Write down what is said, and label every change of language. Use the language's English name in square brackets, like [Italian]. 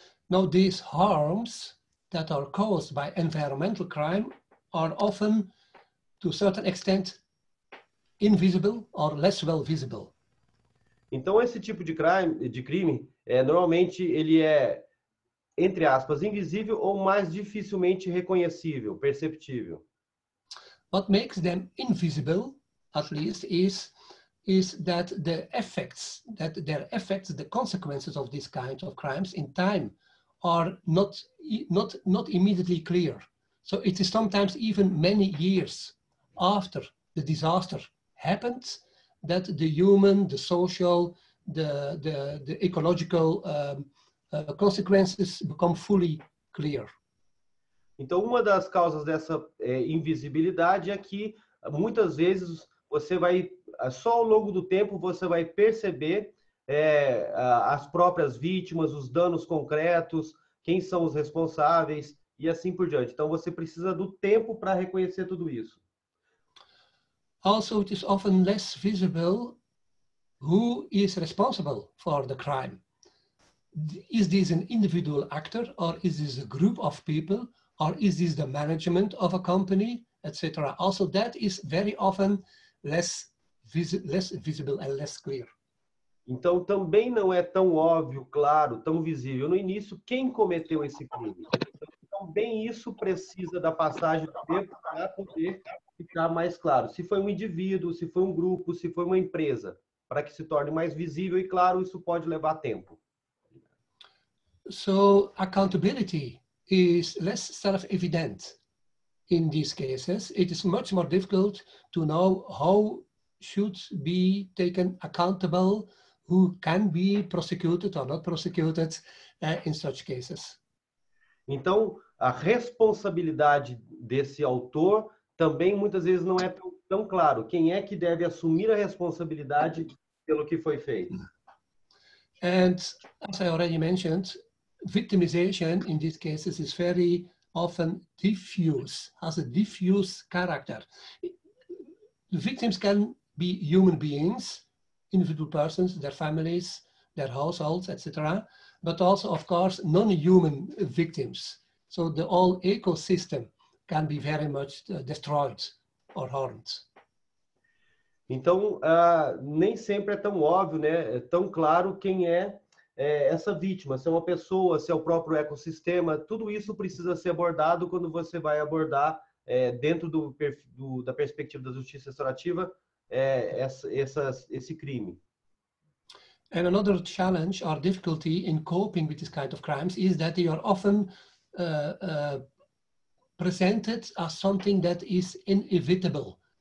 [English] Now, these harms that are caused by environmental crime are often, to a certain extent, invisible or less well visible. [Portuguese] Então, esse tipo de crime, normalmente ele é, entre aspas, invisível ou mais dificilmente reconhecível, perceptível. [English] What makes them invisible, at least, is that their effects, the consequences of these kinds of crimes in time are not immediately clear. So it is sometimes even many years after the disaster happens that the human, the social, the ecological consequences become fully clear. [Portuguese] Então, uma das causas dessa invisibilidade é que muitas vezes você vai, só ao longo do tempo, você vai perceber as próprias vítimas, os danos concretos, quem são os responsáveis e assim por diante. Então, você precisa do tempo para reconhecer tudo isso. [English] Also, it is often less visible who is responsible for the crime. Is this an individual actor, or is this a group of people, or is this the management of a company, etc.? Also, that is very often less visible and less clear. [Portuguese] Então, também não é tão óbvio, claro, tão visível no início quem cometeu esse crime. Então, também isso precisa da passagem do tempo para poder ficar mais claro. Se foi um indivíduo, se foi um grupo, se foi uma empresa, para que se torne mais visível e claro, isso pode levar tempo. [English] So accountability is less self-evident in these cases. It is much more difficult to know who should be taken accountable, who can be prosecuted or not prosecuted in such cases. [Portuguese] Então, a responsabilidade desse autor também muitas vezes não é tão claro. Quem é que deve assumir a responsabilidade pelo que foi feito? [English] And as I already mentioned, victimization in these cases is very often diffuse, has a diffuse character. Victims can be human beings, individual persons, their families, their households, etc., but also, of course, non-human victims. So the whole ecosystem can be very much destroyed or harmed. [Portuguese] Então, nem sempre é tão óbvio, né? É tão claro quem é essa vítima, se é uma pessoa, se é o próprio ecossistema, tudo isso precisa ser abordado quando você vai abordar dentro da perspectiva da justiça restaurativa esse crime. [English] And another challenge or difficulty in coping with this kind of crimes is that they are often presented as something that is inevitable.